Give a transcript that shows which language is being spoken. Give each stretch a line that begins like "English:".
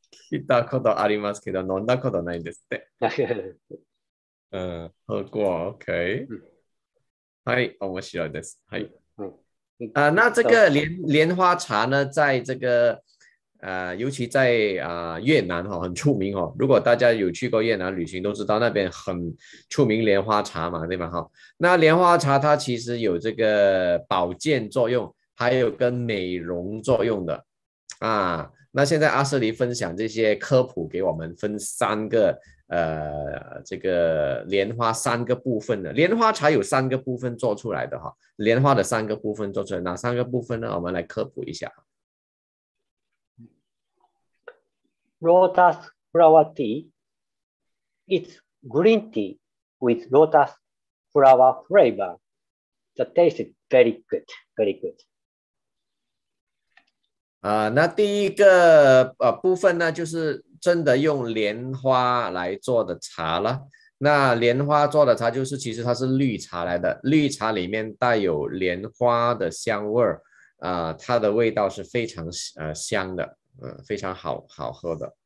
Japanese: 聞いたことありますけど、飲んだことないですって。
Chinese: 喝过 ，OK。
Japanese: はい、面白いです。はい。
Chinese: 那这个莲花茶呢，在这个尤其在越南哈、哦，很出名哦。如果大家有去过越南旅行，都知道那边很出名莲花茶嘛，对吧？哈，那莲花茶它其实有这个保健作用，还有跟美容作用的啊。那现在阿瑟黎分享这些科普给我们，分三个这个莲花三个部分的莲花茶有三个部分做出来的哈，莲花的三个部分做出来哪三个部分呢？我们来科普一下。
English: Lotus flower tea, it's green tea with lotus flower flavor. The taste is very good, very good.
Chinese: 那第一个部分呢，就是真的用莲花来做的茶了。那莲花做的茶就是，其实它是绿茶来的，绿茶里面带有莲花的香味儿，它的味道是非常香的，非常好喝的。